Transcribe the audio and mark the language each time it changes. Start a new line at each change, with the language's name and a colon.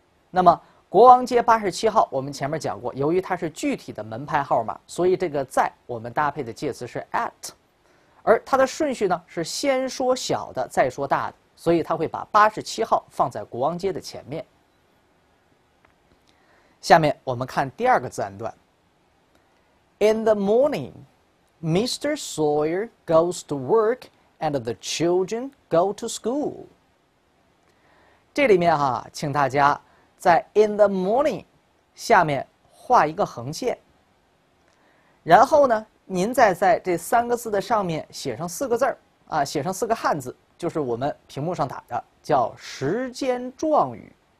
Chinese: 那么国王街87号，我们前面讲过，由于它是具体的门牌号码，所以这个在我们搭配的介词是 at， 而它的顺序呢是先说小的再说大的，所以它会把87号放在国王街的前面。下面我们看第二个自然段，
English: In the morning Mr. Sawyer goes to work and the children go to school。
Chinese: 这里面哈，请大家在
English: in the morning
Chinese: 下面画一个横线，然后呢您再在这三个字的上面写上四个字儿啊，写上四个汉字，就是我们屏幕上打的叫时间状语。